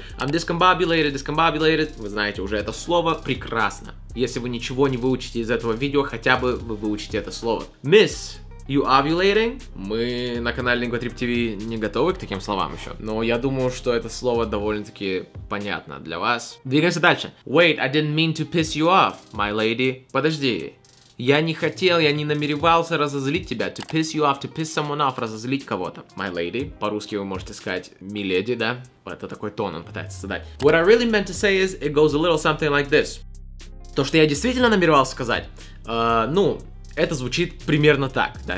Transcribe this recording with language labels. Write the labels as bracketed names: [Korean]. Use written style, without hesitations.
[English] I'm discombobulated, discombobulated, [Russian] вы знаете уже это слово, прекрасно. Если вы ничего не выучите из этого видео, хотя бы вы выучите это слово. [English] Miss, you ovulating? [Russian] Мы на канале Lingua Trip TV не готовы к таким словам еще, но я думаю, что это слово довольно-таки понятно для вас. Двигаемся дальше. [English] Wait, I didn't mean to piss you off, my lady. [Russian] Подожди. Я не хотел, я не намеревался разозлить тебя. [English] To piss you off, to piss someone off, [Russian] разозлить кого-то. [English] My lady. [Russian] По-русски вы можете сказать миледи, да? Это такой тон он пытается задать. [English] What I really meant to say is, it goes a little something like this. [Russian] То, что я действительно намеревался сказать, ну, это звучит примерно так, да?